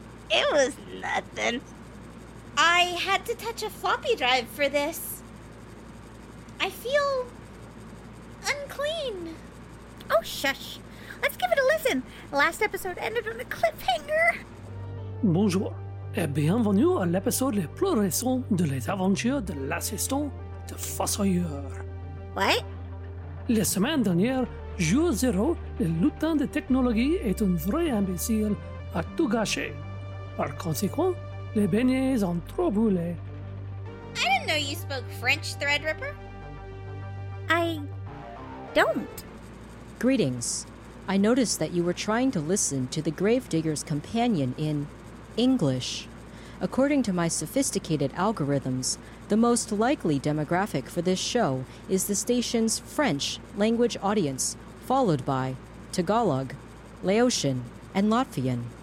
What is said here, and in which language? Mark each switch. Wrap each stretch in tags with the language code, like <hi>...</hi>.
<en>It was nothing. I had to touch a floppy drive for this. I feel unclean. Oh, shush. Let's give it a listen. Last episode ended on a cliffhanger.</en> <fr>Bonjour, et bienvenue à l'épisode le plus récent de les aventures de l'assistant de Fossoyeur.</fr> <en>What?</en> <fr>La semaine dernière, Jour Zéro, le lutin de technologie, est un vrai imbécile à tout gâcher. Par conséquent, les beignets ont trop brûlé.</fr> <en>I didn't know you spoke French, Threadripper. I don't. Greetings. I noticed that you were trying to listen to the Gravedigger's Companion in English. According to my sophisticated algorithms, the most likely demographic for this show is the station's French language audience, followed by Tagalog, Laotian, and Latvian.</en>